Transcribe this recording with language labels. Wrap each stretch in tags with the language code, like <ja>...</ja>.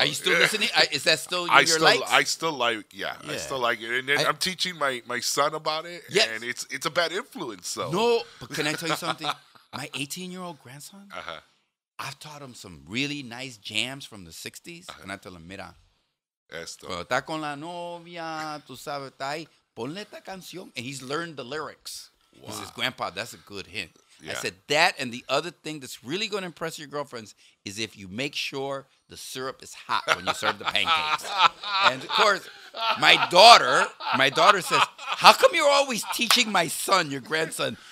<en>Are you still listening? Is that still your likes? I still like it. And then I'm teaching my son about it, and it's a bad influence. So. No, but can I tell you something? My 18-year-old grandson, I've taught him some really nice jams from the 60s, and I tell him,</en> <es>"Mira, esto. Está con la novia, tú sabes, está ahí. Ponle esta canción."</es> <en>And he's learned the lyrics. Wow. He says, "Grandpa, that's a good hint." Yeah. I said, "That and the other thing that's really going to impress your girlfriends is if you make sure the syrup is hot when you serve the pancakes." And of course, my daughter says, "How come you're always teaching my son, your grandson?"</en>